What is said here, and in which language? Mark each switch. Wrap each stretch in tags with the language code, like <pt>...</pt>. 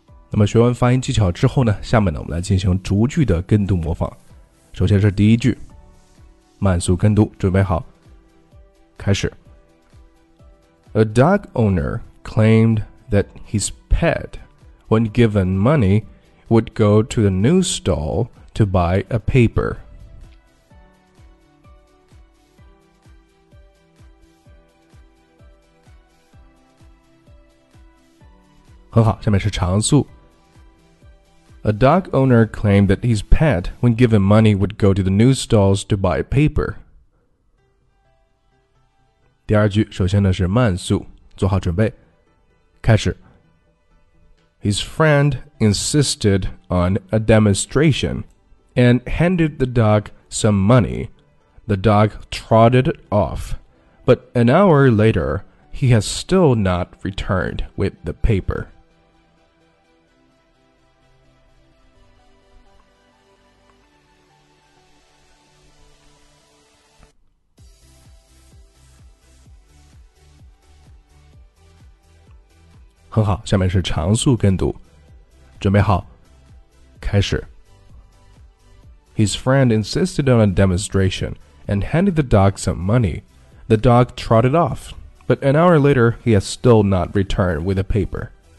<zh>那么学完发音技巧之后呢，下面呢我们来进行逐句的跟读模仿。首先是第一句，慢速跟读，准备好，开始。</zh> <en>A dog owner claimed that his pet, when given money, would go to the news stall to buy a paper.</en> <zh>很好，下面是长速。</zh> <en>A dog owner claimed that his pet, when given money, would go to the news stalls to buy paper.</en> <zh>第二句，首先呢是慢速，做好准备，开始。</zh> <en>His friend insisted on a demonstration and handed the dog some money. The dog trotted off, but an hour later, he has still not returned with the paper.</en> <zh>很好，下面是长速跟读，准备好，开始。</zh> <en>His friend insisted on a demonstration and handed the dog some money. The dog trotted off, but an hour later, he has still not returned with a paper.</en>